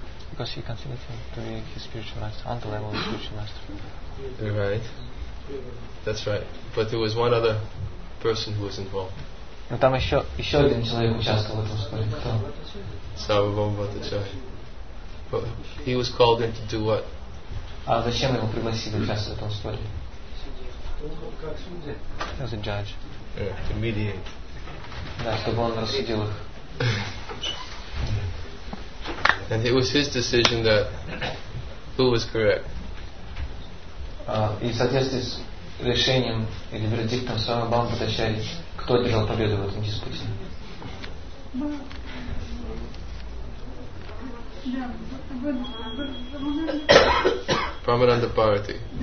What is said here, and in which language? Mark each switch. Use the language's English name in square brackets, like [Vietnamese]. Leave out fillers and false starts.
[English] Because he considered him to be his spiritual master, on the level of spiritual master. Right. That's right. But there was one other person who was involved. [Russian] Но там еще один человек участвовал в этом споре. Кто? Сарвабхаума Бхаттачарья. [English] But he was called in to do what? [Russian] А зачем его пригласили участвовать в этом споре? [English] He was a judge. Yeah, to mediate. [Russian] Да, чтобы он рассудил их. [English] And it was his decision that who was correct. [Russian] И в соответствии с решением или вердиктом Сарвабхаума Бхаттачарья, кто одержал победу в этом диспуте? Да, Брахмананда Бхарати.